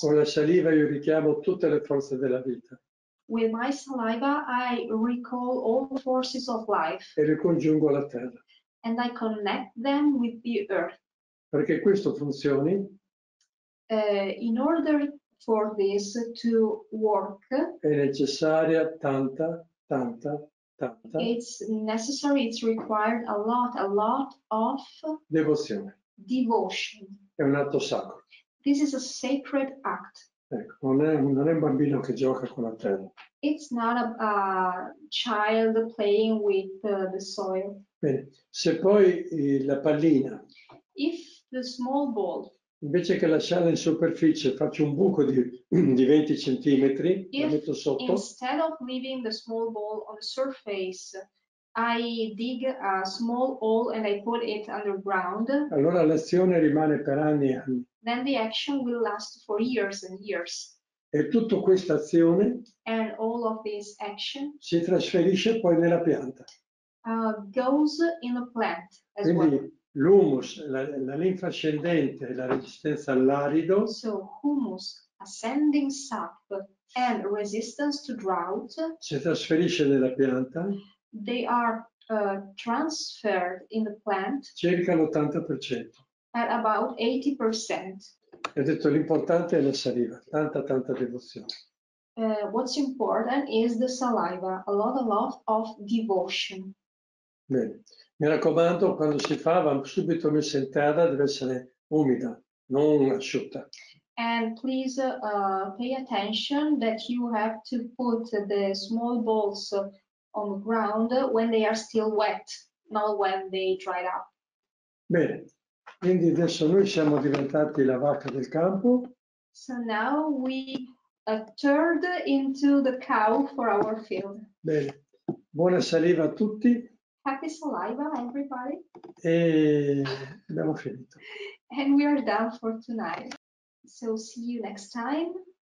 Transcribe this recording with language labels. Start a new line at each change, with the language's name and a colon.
Italian: Con la saliva io richiamo tutte le forze della vita.
English: With my saliva I recall all the forces of life.
Italian: E le congiungo alla terra.
English: And I connect them with the earth.
Italian: Perché questo funzioni?
English: In order for this to work.
Italian: È necessaria tanta.
English: It's necessary, it's required a lot of devotion.
Italian: È un atto sacro.
English: This is a sacred act.
Italian: Ecco, non è un bambino che gioca con la terra.
English: It's not a child playing with the soil.
Italian: Bene. Se poi la pallina.
English: If the small ball.
Italian: Invece che lasciarla in superficie, faccio un buco di 20 centimetri, la metto sotto.
English: Instead of leaving the small ball on the surface, I dig a small hole and I put it underground.
Italian: Allora l'azione rimane per anni e anni.
English: Then the action will last for years and years.
Italian: E tutta questa azione.
English: And all of this action.
Italian: Si trasferisce poi nella pianta.
English: Goes in the plant as
Italian: quindi,
English: well.
Italian: L'humus, la linfa ascendente, la resistenza all'arido.
English: So humus, ascending sap, and resistance to drought.
Italian: Si trasferisce nella pianta.
English: They are transferred in the plant.
Italian: Circa l'80%.
English: At about 80%.
Italian: Ho detto l'importante è la saliva, tanta devozione.
English: What's important is the saliva, a lot of devotion.
Italian: Bene. Mi raccomando, quando si fa, va subito messa in terra, deve essere umida, non asciutta.
English: And please pay attention that you have to put the small balls on the ground when they are still wet, not when they dried up.
Italian: Bene, quindi adesso noi siamo diventati la vacca del campo.
English: So now we turned into the cow for our field.
Italian: Bene, buona saliva a tutti.
English: Happy saliva, everybody.
Italian: E abbiamo finito.
English: And we are done for tonight. So see you next time.